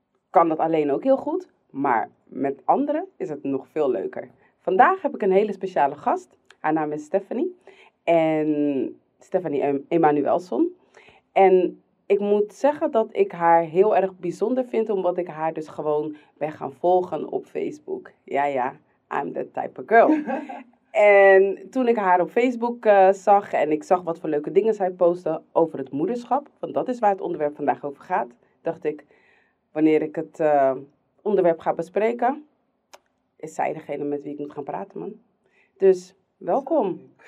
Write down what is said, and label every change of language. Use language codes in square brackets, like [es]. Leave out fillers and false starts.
[nl] Kan dat alleen ook heel goed, maar met anderen is het nog veel leuker. Vandaag heb ik een hele speciale gast, haar naam is Stephanie en Stephanie Emanuelson. En ik moet zeggen dat ik haar heel erg bijzonder vind, omdat ik haar dus gewoon ben gaan volgen op Facebook. [en] Ja, ja, I'm that type of girl. [nl] En toen ik haar op Facebook zag en ik zag wat voor leuke dingen zij postte over het moederschap, want dat is waar het onderwerp vandaag over gaat, dacht ik, wanneer ik het onderwerp ga bespreken, is zij degene met wie ik moet gaan praten, man. Dus, welkom.